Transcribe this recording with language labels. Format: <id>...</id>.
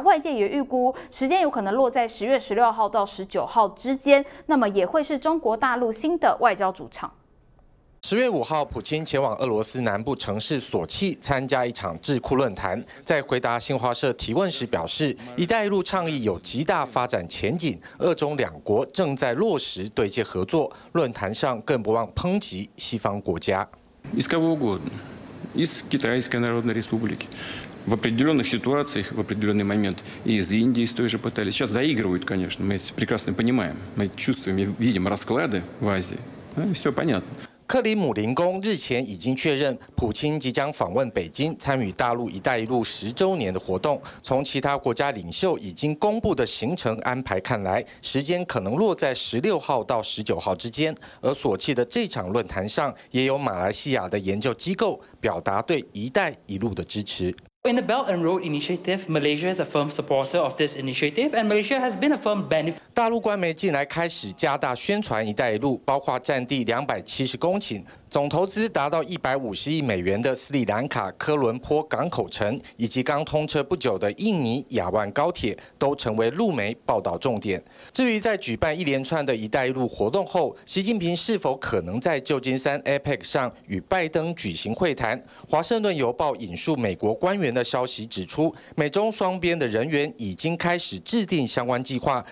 <zh>外界也预估时间有可能落在10月16号到19号之间，那么也会是中国大陆新的外交主场。 10月5号，普京前往俄罗斯南部城市索契参加一场智库论坛，在回答新华社提问时表示，一带一路倡议有极大发展前景，俄中两国正在落实对接合作。论坛上更不忘抨击西方国家。</zh> <ru>Из кого угодно, из Китайской Народной Республики, в определенных ситуациях, в определенный момент, и из Индии с той же пытались. Сейчас заигрывают, конечно, мы прекрасно понимаем, мы чувствуем, видим расклады в Азии, все понятно.</ru> <zh>克里姆林宫日前已经确认，普京即将访问北京，参与大陆“一带一路”十周年的活动。从其他国家领袖已经公布的行程安排看来，时间可能落在16号到19号之间。而索契的这场论坛上，也有马来西亚的研究机构表达对“一带一路”的支持。</zh> <en>In the Belt and Road Initiative, Malaysia is a firm supporter of this initiative, and Malaysia has been a firm benefit.</en> <zh>大陆官媒近来开始加大宣传“一带一路”，包括占地270公顷、总投资达到150亿美元的斯里兰卡科伦坡港口城，以及刚通车不久的印尼雅万高铁，都成为陆媒报道重点。至于在举办一连串的“一带一路”活动后，习近平是否可能在旧金山 APEC 上与拜登举行会谈，《华盛顿邮报》引述美国官员的消息指出，美中双边的人员已经开始制定相关计划。</zh>